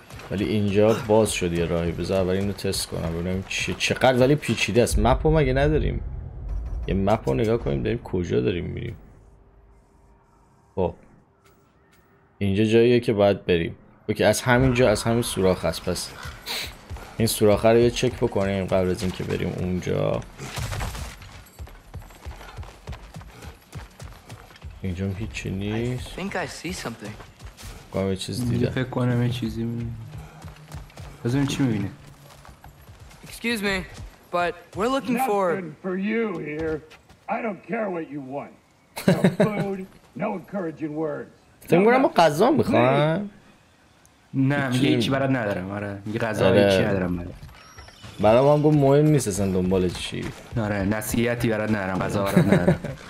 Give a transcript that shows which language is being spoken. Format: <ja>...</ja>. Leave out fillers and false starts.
<fa>ولی اینجا باز شد یه راهی بذار اول اینو تست کنم ببینم چیه چقدر ولی پیچیده است مپ رو مگه نداریم یه مپ رو نگاه کنیم داریم کجا داریم میریم خب اینجا جاییه که باید بریم اوکی از همین جا از همین سوراخ هست پس این سوراخ رو یه چک بکنیم قبل از اینکه بریم اونجا اینجا هم هیچی نیست بکنم یه چیز دیدم فکر کنم یه چیزی میبینیم بزنیم چی میبینه</fa> <en>Excuse me, but we're looking for Nothing for you here I don't care what you want No food, no encouraging words</en> <fa>فکر کنم ما قضا میخوان نه میگه هیچی برات ندارم آره میگه غذا هیچی ندارم برای ما هم گفت مهم نیست اصلا دنبال چی آره نصیحتی برات ندارم غذا برات ندارم</fa>